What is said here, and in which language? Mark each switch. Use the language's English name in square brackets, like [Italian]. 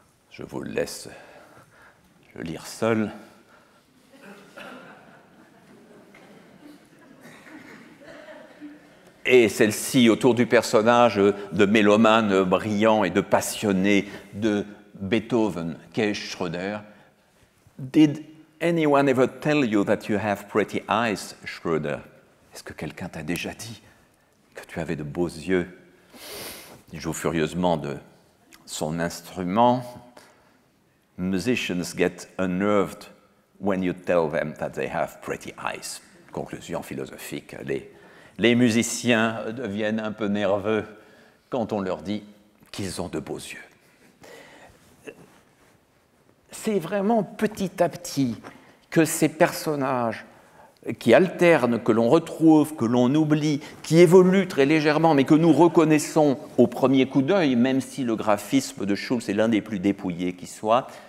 [French] Je vous laisse le lire seul. Et celle-ci, autour du personnage de mélomane brillant et de passionné de Beethoven, qu'est Schroeder. [English] Did anyone ever tell you that you have pretty eyes, Schroeder? [French] Est-ce que quelqu'un t'a déjà dit que tu avais de beaux yeux? Il joue furieusement de son instrument. [English] Musicians get unnerved when you tell them that they have pretty eyes. [French] Conclusion philosophique, les musiciens deviennent un peu nerveux quand on leur dit qu'ils ont de beaux yeux. C'est vraiment petit à petit que ces personnages qui alternent, que l'on retrouve, que l'on oublie, qui évoluent très légèrement, mais que nous reconnaissons au premier coup d'œil, même si le graphisme de Schulz est l'un des plus dépouillés qui soit,